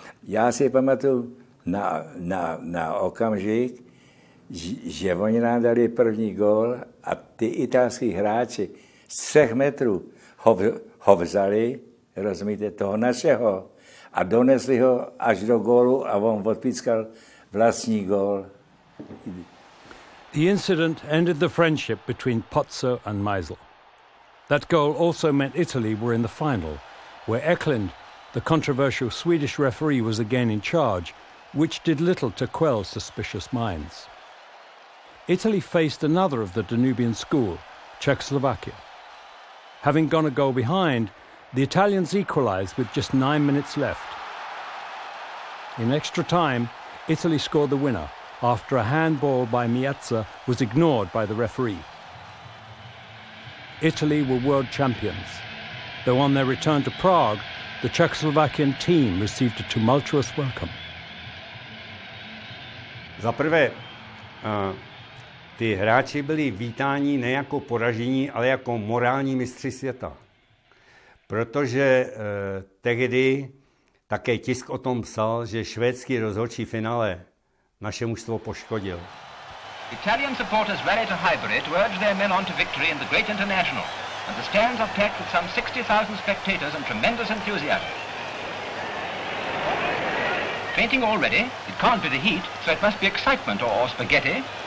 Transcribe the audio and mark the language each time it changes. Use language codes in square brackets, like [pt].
[cs] Já si pamatuju na okamžik, že oni nám dali první gól a ty italský hráči z 3 metrů ho vzali, rozumíte, toho našeho, a donesli ho až do gólu a on odpískal vlastní gól. [en] The incident ended the friendship between Pozzo and Meisel. That goal also meant Italy were in the final, where Eklund, the controversial Swedish referee, was again in charge, which did little to quell suspicious minds. Italy faced another of the Danubian school, Czechoslovakia. Having gone a goal behind, the Italians equalised with just 9 minutes left. In extra time, Italy scored the winner after a handball by Miazza was ignored by the referee. Italy were world champions, though on their return to Prague, the Czechoslovakian team received a tumultuous welcome. [cs] Za prvé, ty hráči byli vítáni ne jako poražení, ale jako morální mistři světa. Protože tehdy také tisk o tom psal, že švédský rozhodčí finále naše mužstvo poškodil. [en] Italian supporters rallied to Highbury to urge their men on to victory in the great international. And the stands are packed with some 60,000 spectators and tremendous enthusiasm. Fainting already? It can't be the heat, so it must be excitement or spaghetti.